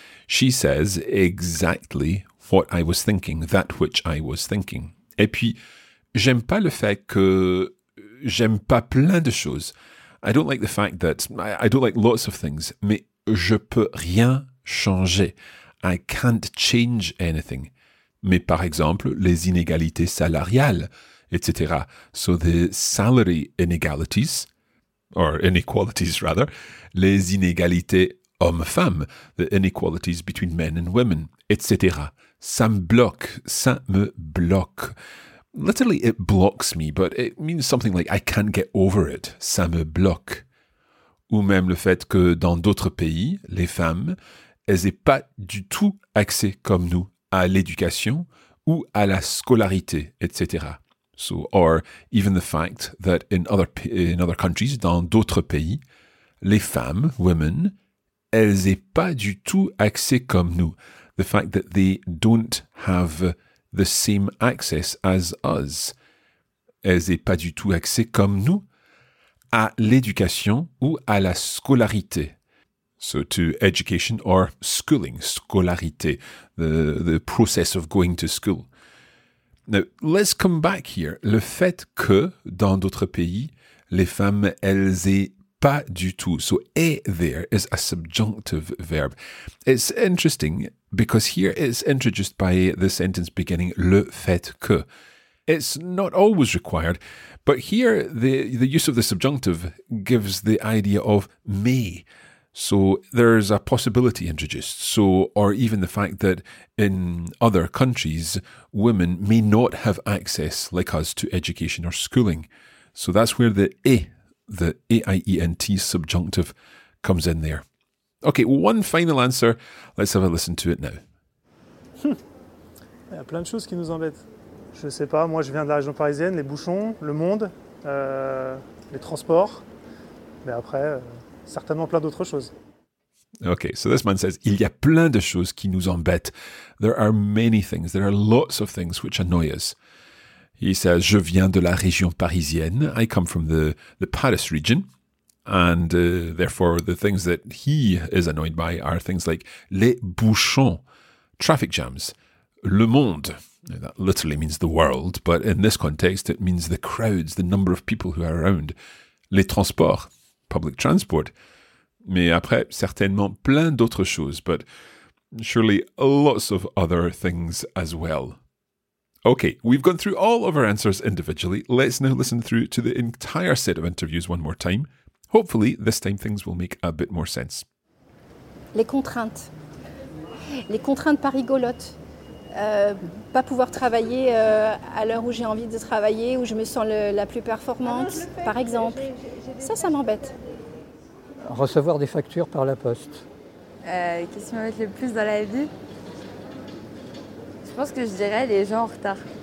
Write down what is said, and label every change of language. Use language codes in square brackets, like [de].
[en] She says exactly what I was thinking, that which I was thinking. [fr] Et puis, j'aime pas le fait que j'aime pas plein de choses. [en] I don't like the fact that I don't like lots of things. [fr] Mais je peux rien changer. [en] I can't change anything. [fr] Mais par exemple, les inégalités salariales, etc. [en] So the salary inequalities, or inequalities rather, [fr] les inégalités hommes-femmes, [en] the inequalities between men and women, etc. [fr] Ça me bloque. [en] Literally, it blocks me, but it means something like I can't get over it. [fr] Ça me bloque. Ou même le fait que dans d'autres pays, les femmes, elles n'aient pas du tout accès comme nous à l'éducation ou à la scolarité, etc. [en] So, or even the fact that in other countries, [fr] dans d'autres pays, les femmes, women, elles n'aient pas du tout accès comme nous. [en] The fact that they don't have the same access as us. [fr] Elles n'aient pas du tout accès comme nous à l'éducation ou à la scolarité. [en] So to education or schooling, [fr] scolarité, [en] the process of going to school. Now, let's come back here. [fr] Le fait que, dans d'autres pays, les femmes, elles aient pas du tout. [en] So, est there is a subjunctive verb. It's interesting because here it's introduced by the sentence beginning [fr] le fait que. [en] It's not always required, but here the use of the subjunctive gives the idea of may. So, there's a possibility introduced. So, or even the fact that in other countries, women may not have access, like us, to education or schooling. So, that's where the A-I-E-N-T subjunctive comes in there. Okay, one final answer. Let's have a listen to it now. [fr] Il y a plein de choses qui nous embêtent. Je sais pas, moi je viens de la région parisienne, les bouchons, le monde, les transports. Mais après, certainement plein d'autres choses. [en] Okay, so this man says, [fr] il y a plein de choses qui nous embêtent. [en] There are many things, there are lots of things which annoy us. He says, [fr] je viens de la région parisienne. [en] I come from the Paris region. And therefore, the things that he is annoyed by are things like [fr] les bouchons, [en] traffic jams, le monde. Now, that literally means the world, but in this context, it means the crowds, the number of people who are around, [fr] les transports, [en] public transport. [fr] Mais après, certainement plein d'autres choses, [en] but surely lots of other things as well. Okay, we've gone through all of our answers individually. Let's now listen through to the entire set of interviews one more time. Hopefully, this time things will make a bit more sense. [fr] Les contraintes. Les contraintes pas rigolotes. Pas pouvoir travailler à l'heure où j'ai envie de travailler, où je me sens la plus performante, par exemple. Ça m'embête. Recevoir des factures par la poste. Qu'est-ce qui m'embête le plus dans la vie? Je pense que je dirais les gens en retard.